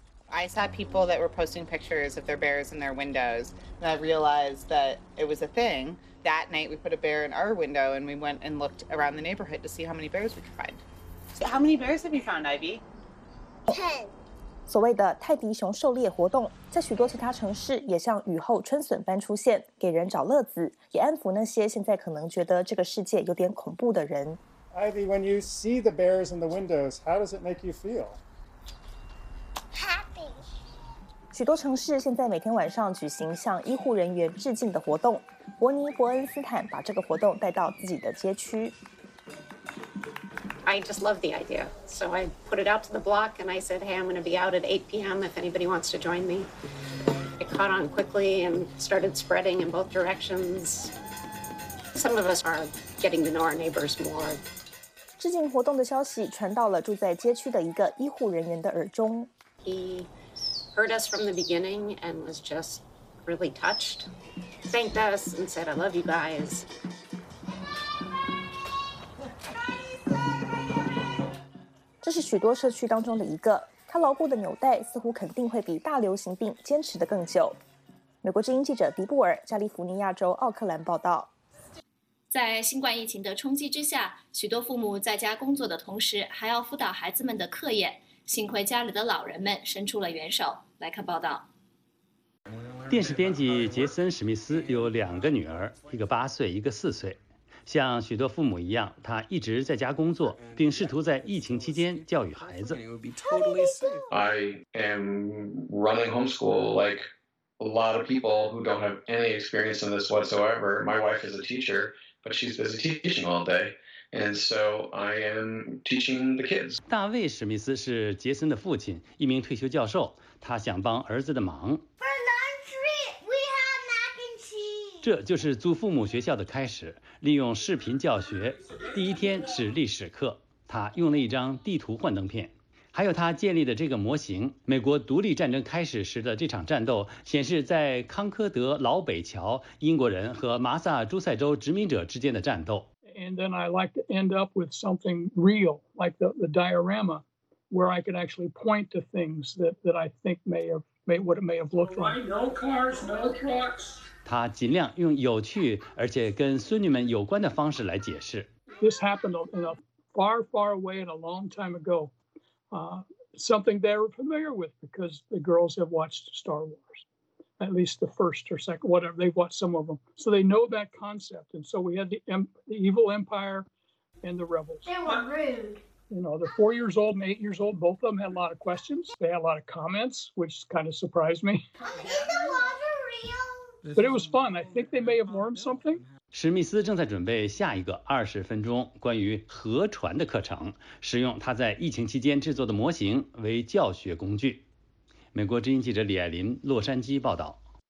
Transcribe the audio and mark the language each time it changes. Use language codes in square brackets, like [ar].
[en] I saw people that were posting pictures of their bears in their windows, and I realized that it was a thing. That night, we put a bear in our window, and we went and looked around the neighborhood to see how many bears we could find. So how many bears have you found, Ivy? 10. [zh] 所谓的泰迪熊狩猎活动，在许多其他城市也像雨后春笋般出现，给人找乐子，也安抚那些现在可能觉得这个世界有点恐怖的人。 [en] Ivy, when you see the bears in the windows, how does it make you feel? Happy. [zh] 许多城市现在每天晚上举行向医护人员致敬的活动。伯尼·伯恩斯坦把这个活动带到自己的街区。 [en] I just love the idea. So I put it out to the block and I said, hey, I'm going to be out at 8 p.m. if anybody wants to join me. It caught on quickly and started spreading in both directions. Some of us are getting to know our neighbors more. [zh] 致敬活动的消息传到了住在街区的一个医护人员的耳中。 [en] He heard us from the beginning and was just really touched. Thanked us and said, I love you guys. [zh] 这是许多社区当中的一个，它牢固的纽带似乎肯定会比大流行病坚持得更久。美国之音记者迪布尔，加利福尼亚州奥克兰报道。在新冠疫情的冲击之下，许多父母在家工作的同时还要辅导孩子们的课业，幸亏家里的老人们伸出了援手。来看报道。电视编辑杰森·史密斯有两个女儿，一个8岁，一个4岁。像许多父母一样，他一直在家工作，并试图在疫情期间教育孩子。 [en] I am running homeschool like a lot of people who don't have any experience in this whatsoever. My wife is a teacher, but she's busy teaching all day, and so I am teaching the kids. [zh] 大卫·史密斯是杰森的父亲，一名退休教授，他想帮儿子的忙。这就是祖父母学校的开始，利用视频教学。第一天是历史课，他用了一张地图幻灯片，还有他建立的这个模型。美国独立战争开始时的这场战斗显示在康科德老北桥英国人和马萨诸塞州殖民者之间的战斗。 [en] And then I like to end up with something real, like the diorama, where I could actually point to things that I think may have looked like. No cars, no trucks. [zh] 他尽量用有趣而且跟孙女们有关的方式来解释。 [en] This happened in a far, far away and a long time ago. Something they were familiar with because the girls have watched Star Wars, at least the first or second, whatever, they've watched some of them. So they know that concept. And so we had the evil empire and the rebels. They were rude. You know, they're 4 years old and 8 years old. Both of them had a lot of questions. They had a lot of comments, which kind of surprised me. But it was fun. I think they may have learned something. [zh] 史密斯正在准备下一个20分钟关于河船的课程，使用他在疫情期间制作的模型为教学工具。美国之音记者李爱琳，洛杉矶报道。